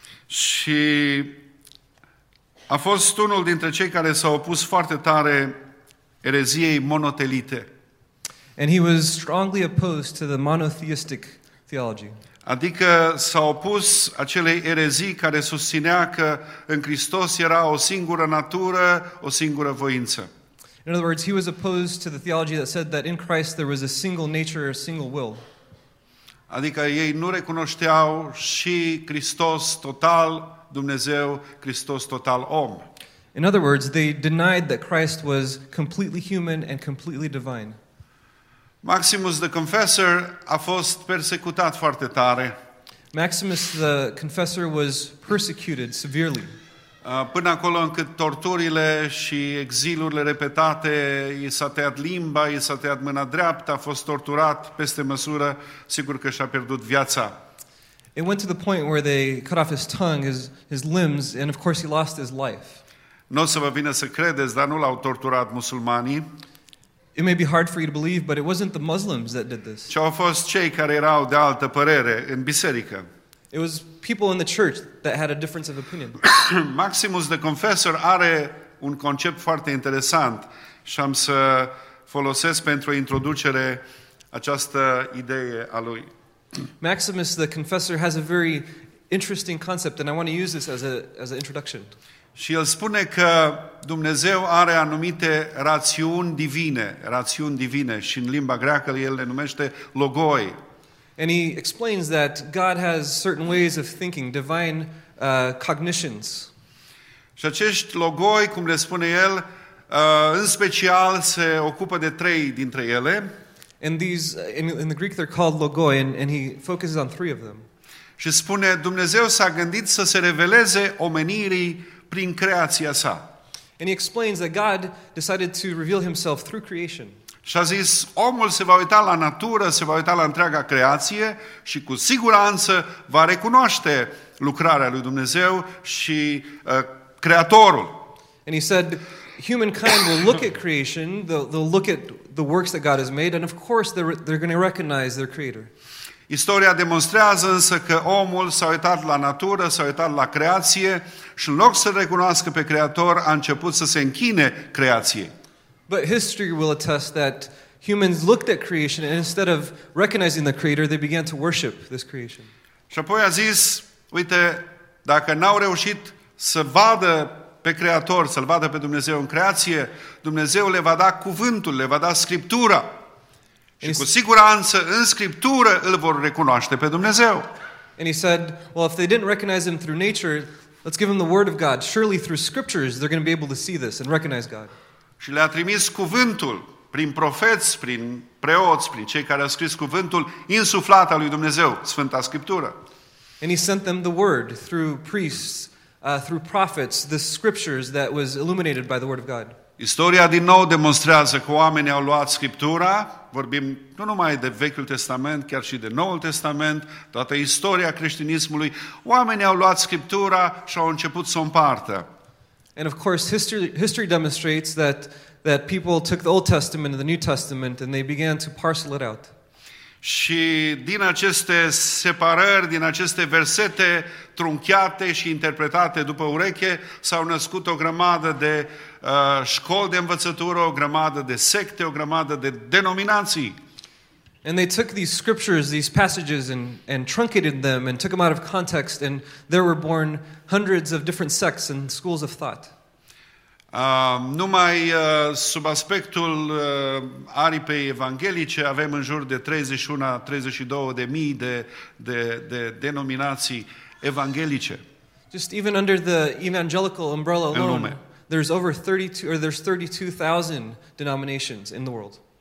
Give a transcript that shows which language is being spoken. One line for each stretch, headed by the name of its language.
Romanian: Și a fost unul dintre cei care s-au opus foarte tare ereziei monotelite.
English: And he was strongly opposed to the monotheistic theology.
Romanian: Adică s-a opus acelei erezii care susținea că în Hristos era o singură natură, o singură voință.
English: In other words, he was opposed to the theology that said that in Christ there was a single nature, a single will.
Romanian: Adică ei nu recunoșteau și Hristos total Dumnezeu, Hristos total om.
English: In other words, they denied that Christ was completely human and completely divine.
Romanian: Maximus the Confessor a fost persecutat foarte tare.
English: Maximus the Confessor was persecuted severely.
Romanian: Până acolo încât torturile și exilurile repetate, i s-a tăiat limba, i s-a tăiat mâna dreaptă, a fost torturat peste măsură, sigur că și-a pierdut viața.
English: It went to the point where they cut off his tongue, his limbs, and of course he lost his life.
Romanian: Nu o să vă vină să credeți, dar nu l-au torturat musulmanii.
English: It may be hard for you to believe, but it wasn't the Muslims that did this.
Romanian: Ci au fost cei care erau de altă părere în biserică.
English: It was people in the church that had a difference of opinion.
Romanian: Maximus the Confessor are un concept foarte interesant și am să folosesc pentru introducere această idee a lui.
English: Maximus the Confessor has a very interesting concept and I want to use this as an introduction.
Romanian: Și el spune că Dumnezeu are anumite rațiuni divine, rațiuni divine, și în limba greacă el le numește logoi.
English: And he explains that God has certain ways of thinking, divine cognitions.
Romanian: Și acești logoi, cum le spune el, în special se ocupă de trei dintre ele.
English: And these, in the Greek they're called logoi, and he focuses on three of them.
Romanian: Și spune, Dumnezeu s-a gândit să se reveleze omenirii prin creația sa.
English: And he explains that God decided to reveal himself through creation.
Romanian: Și a zis, omul se va uita la natură, se va uita la întreaga creație și cu siguranță va recunoaște lucrarea lui Dumnezeu și creatorul.
English: And he said, humankind will look at creation, they'll look at the works that God has made and of course they're going to recognize their creator.
Romanian: Istoria demonstrează însă că omul s-a uitat la natură, s-a uitat la creație și în loc să recunoască pe creator, a început să se închine creației.
English: But history will attest that humans looked at creation and instead of recognizing the creator, they began to worship this creation.
Romanian: Și apoi a zis, uite, dacă n-au reușit să vadă pe creator, să-l vadă pe Dumnezeu în creație, Dumnezeu le va da cuvântul, le va da scriptura. Și cu siguranță în scriptură îl vor recunoaște pe Dumnezeu.
English: And he said, well, if they didn't recognize him through nature, let's give them the word of God. Surely through scriptures they're going to be able to see this and recognize God.
Romanian: Și le-a trimis cuvântul prin profeți, prin preoți, prin cei care au scris cuvântul insuflat al lui Dumnezeu, Sfânta Scriptură.
English: And he sent them the word through priests, through prophets, the scriptures that was illuminated by the word of God.
Romanian: Istoria din nou demonstrează că oamenii au luat Scriptura, vorbim nu numai de Vechiul Testament, chiar și de Noul Testament, toată istoria creștinismului, oamenii au luat Scriptura și au început să o împartă.
English: And of course history demonstrates that people took the Old Testament and the New Testament and they began to parcel it out.
Romanian: Și din aceste separări, din aceste versete trunchiate și interpretate după ureche, s-au născut o grămadă de școli de învățătură, o grămadă de secte, o grămadă de denominații.
English: And they took these scriptures, these passages and truncated them and took them out of context and there were born hundreds of different sects and schools of thought.
Romanian: Numai sub aspectul aripei evanghelice avem în jur de 31-32 de mii de denominații evanghelice.
English: Just even under the evangelical umbrella alone, there's over 32,000 denominations in the world.